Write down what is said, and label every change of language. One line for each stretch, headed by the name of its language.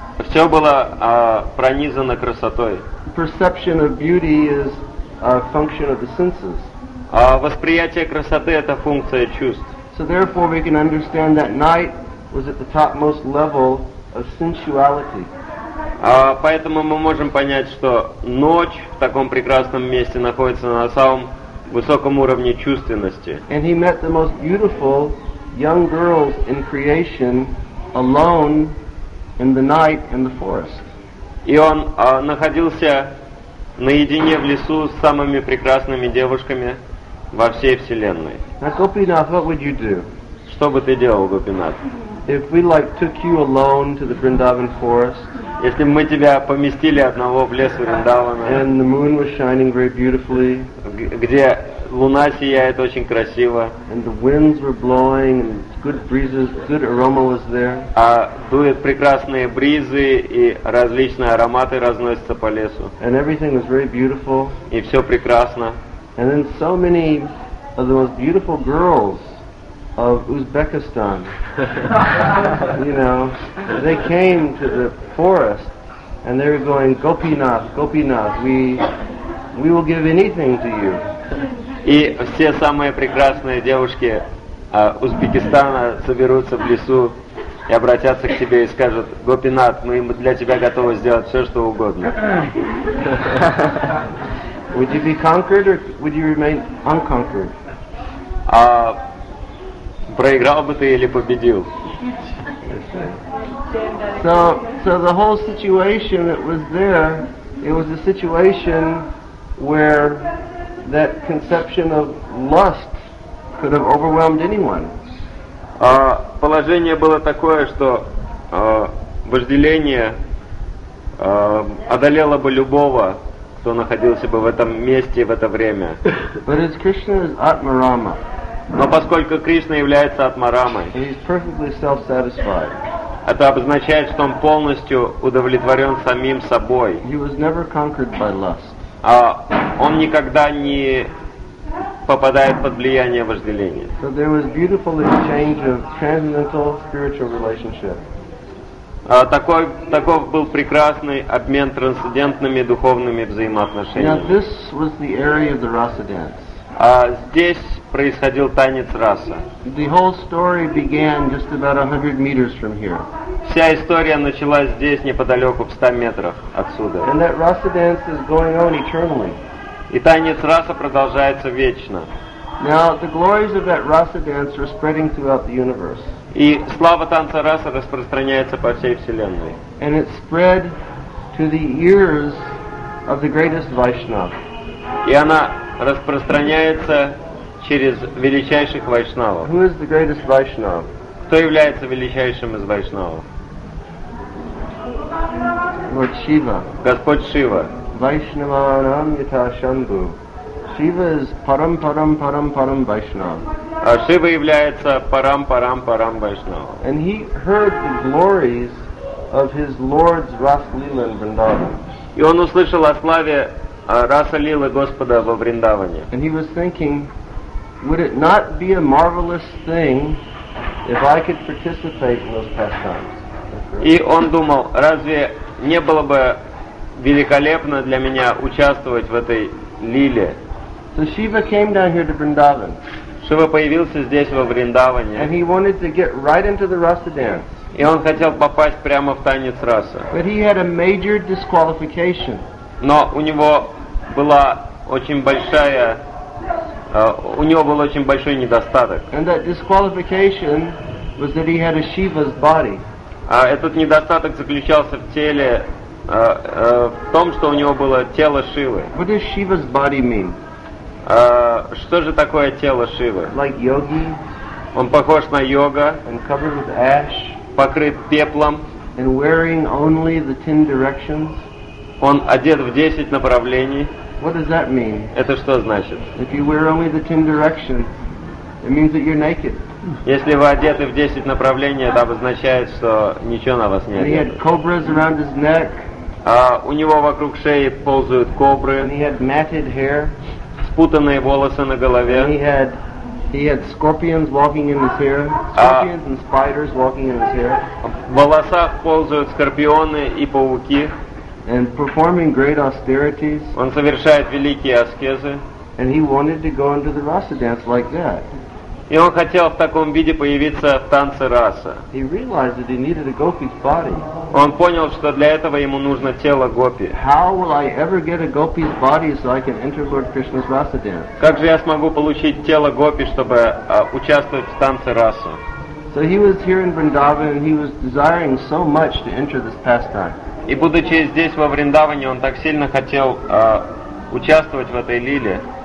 Russian: Все было пронизано красотой.
English: Perception of beauty is a function of the senses.
Russian: Восприятие красоты — это функция чувств.
English: So therefore, we can understand that night was at the topmost level of sensuality.
Russian: Поэтому мы можем понять, что ночь в таком прекрасном месте находится на самом высоком уровне чувственности.
English: And he met the most beautiful young girls in creation alone in the night in the forest.
Russian: И он находился наедине в лесу с самыми прекрасными девушками во всей вселенной.
English: Now, Gopinath, what would you do?
Russian: Что бы ты делал, Гопинат?
English: If we like took you alone to the Vrindavan forest.
Russian: Если бы мы тебя поместили одного в лес Вриндавана.
English: And the moon was shining very beautifully.
Russian: Где луна сияет очень красиво.
English: And the winds were blowing and good breezes, good aroma was there.
Russian: А дуют прекрасные бризы и различные ароматы разносятся по лесу.
English: And everything was very beautiful.
Russian: И все прекрасно.
English: And then so many of the most beautiful girls of Uzbekistan, you know, they came to the forest and they were going, Gopinath, Gopinath, we will give anything to you.
Russian: И все самые прекрасные девушки Узбекистана соберутся в лесу и обратятся к тебе и скажут, Гопинат, мы для тебя готовы сделать все, что угодно.
English: Would you be conquered or would you remain unconquered?
Russian: Проиграл бы ты или победил?
English: So the whole situation that was there, it was a situation where that conception of lust could have overwhelmed anyone.
Russian: Положение было такое, что вожделение одолело бы любого, кто находился бы в этом месте в это время.
English: But as Krishna is Atmarama.
Russian: Но поскольку Кришна является Атмарамой,
English: he is perfectly self-satisfied.
Russian: Это обозначает, что он полностью удовлетворен самим собой.
English: He was never conquered by lust.
Russian: Он никогда не попадает под влияние вожделения.
English: So there was beautiful exchange of transcendental spiritual relationship.
Russian: Таков был прекрасный обмен трансцендентными духовными взаимоотношениями.
English: Now this was the area of the Rasa dance.
Russian: Здесь происходил танец Раса.
English: The whole story began just about 100 meters from here.
Russian: Вся история началась здесь, неподалеку, в 100 метрах отсюда.
English: And that Rasa dance is going on eternally.
Russian: И танец Раса продолжается вечно.
English: Now the glories of that Rasa dance are spreading throughout the universe.
Russian: И слава танца Раса распространяется по всей вселенной.
English: And it spread to the ears of the greatest Vaishnav.
Russian: И она распространяется через величайших вайшнавов.
English: Who is the greatest Vaishnav?
Russian: Кто является величайшим из вайшнавов?
English: Lord Shiva.
Russian: Господь Шива.
Sanskrit: Vaishnavanam yata shambhu.
English: Shiva is param param param param Vaishnav.
Russian: А Шива является парам парам парам Вайшнав.
English: And he heard the glories of his Lord's Rasalila in Vrindavan.
Russian: И он услышал о славе Расалилы Господа во Вриндаване.
English: And he was thinking, would it not be a marvelous thing if I could participate in those pastimes?
Russian: И он думал, разве не было бы великолепно для меня участвовать в этой лиле?
English: So Shiva came down here to Vrindavan.
Russian: Шива появился здесь во Вриндаване.
English: And he wanted to get right into the Rasa dance.
Russian: И он хотел попасть прямо в танец Раса.
English: But he had a major disqualification.
Russian: Но у него была очень большая у него был очень большой недостаток.
English: And that disqualification was that he had a Shiva's body.
Russian: Этот недостаток заключался в теле, в том, что у него было тело Шивы.
English: What does Shiva's body mean?
Russian: Что же такое тело Шивы?
English: Like yogi.
Russian: Он похож на йога.
English: And covered with ash.
Russian: Покрыт пеплом.
English: And wearing only the 10 directions.
Russian: Он одет в 10 направлений.
English: What does that mean?
Russian: Это что значит?
English: If you wear only the 10 directions, it means that you're naked.
Russian: Если вы одеты в 10 направлений, это обозначает, что ничего на вас нет.
English: And he had cobras around his neck.
Russian: У него вокруг шеи ползают кобры.
English: And he had matted hair.
Russian: Спутанные волосы на голове.
English: And he had scorpions walking in his hair. Scorpions and spiders walking in his hair.
Russian: В волосах ползают скорпионы и пауки.
English: And performing great austerities.
Russian: Он совершает великие аскезы.
English: And he wanted to go into the Rasa dance like that.
Russian: И он хотел в таком виде появиться в танце Раса.
English: He realized that he needed a gopi's body.
Russian: Он понял, что для этого ему нужно тело гопи.
English: How will I ever get a gopi's body so I can enter Lord Krishna's Rasa dance?
Russian: Как же я смогу получить тело гопи, чтобы участвовать в танце Раса?
English: So he was here in Vrindavan and he was desiring so much to enter this pastime.
Russian: И будучи здесь во Вриндаване, он так сильно хотел участвовать в этой лиле.